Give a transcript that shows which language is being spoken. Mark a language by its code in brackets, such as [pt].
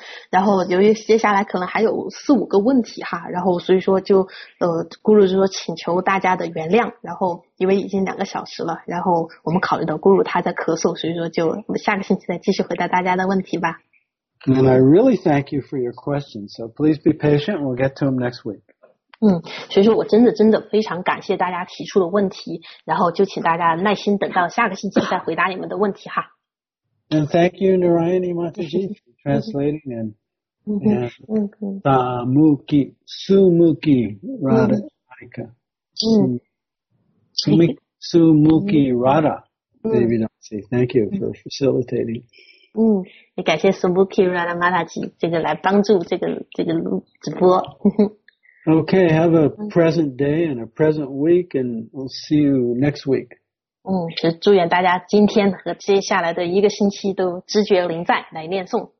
[zh] 然后由于接下来可能还有四五个问题哈，然后所以说就咕噜就说请求大家的原谅，然后因为已经两个小时了，然后我们考虑到咕噜他在咳嗽，所以说就我们下个星期再继续回答大家的问题吧。 [en] And I really thank you for your question, so please be patient, we'll get to them next week. [zh] 所以说我真的非常感谢大家提出的问题，然后就请大家耐心等到下个星期再回答你们的问题哈。 [en] And thank you, Narayani Mataji, for translating and Tamuki, Sumuki, Radha, Radhika. Sumuki, Radha. Devi Dasi, thank you for facilitating. [zh] 嗯，也感谢 Sumuki, Radha, Mataji 这个来帮助这个直播。 [en] Okay, have a present day and a present week, and we'll see you next week. [zh] 嗯，就祝愿大家今天和接下来的一个星期都知觉临在来念诵。